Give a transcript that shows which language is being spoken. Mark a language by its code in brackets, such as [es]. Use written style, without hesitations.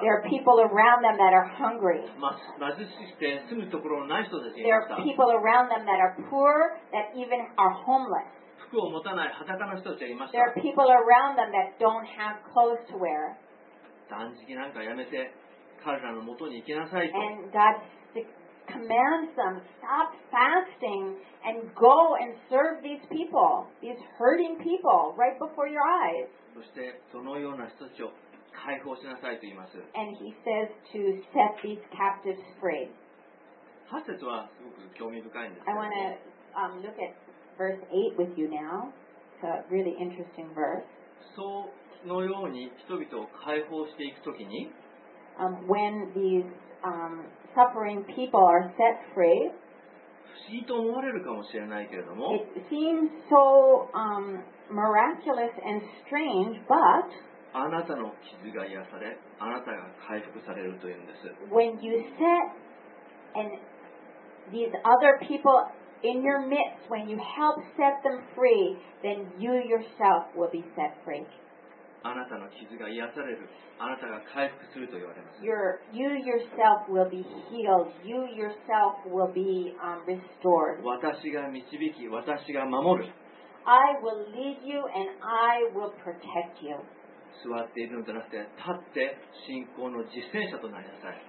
[en] There are people around them that are hungry. [ja] 貧しくて住むところのない人たちがいました。 [en] There are people around them that are poor, that even are homeless. [ja] 服を持たない裸の人たちがいました。 [en] There are people around them that don't have clothes to wear. [ja] 断食なんかやめて彼らの元に行きなさいと。 [en] And God commands them, stop fasting and go and serve these people, these hurting people right before your eyes. [ja] そしてそのような人たちを解放しなさいと言います。 [en] And he says to set these captives free. [ja] 8節はすごく興味深いんですけど。 [en] I want to look at verse 8 with you now. It's a really interesting verse. [ja] そのように人々を解放していくときに、 [en] when these suffering people are set free. [ja] 不思議と思われるかもしれないけれども、 [en] it seems so miraculous and strange, but [ja] あなたの傷が癒され、あなたが回復されるというんです。 [en] When you set and these other people in your midst, when you help set them free, then you yourself will be set free. [ja] あなたの傷が癒される、あなたが回復すると言われます。 [en] You yourself will be healed. You yourself will be restored. [ja] 私が導き、私が守る。 [en] I will lead you and I will protect you. [ja] 座っているのではなくて、立って信仰の実践者となりなさい。